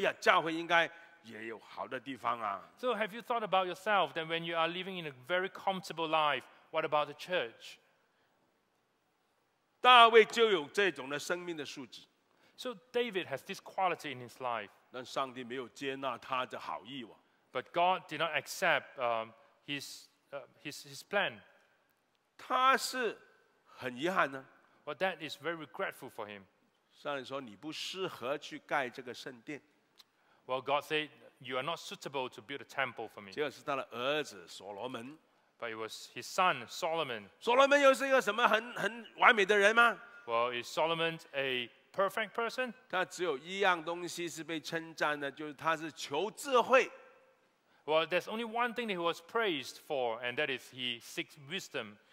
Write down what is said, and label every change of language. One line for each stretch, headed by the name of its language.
Chinese: 那你们想过这样，其实你自己情况不错的时候，你们想过，哎呀，教会应该也有好的地方啊。
English: So have you thought about yourself that when you are living in a very comfortable life, what about the church?
Chinese: 大卫就有这种的生命的素质。
English: So David has this quality in his life.
Chinese: 但上帝没有接纳他的好意哦。
English: But God did not accept his plan.
Chinese: 他是很遗憾呢。
English: But that is very regretful for him.
Chinese: 上帝说你不适合去盖这个圣殿。
English: Well, God said, you are not suitable to build a temple for me.
Chinese: 这是他的儿子所罗门。
English: But it was his son, Solomon.
Chinese: 所罗门又是一个什么很完美的人吗？
English: Well, is Solomon a perfect person?
Chinese: 他只有一样东西是被称赞的, 就是他是求智慧。
English: Well, there's only one thing that he was praised for, and that is he seeks wisdom.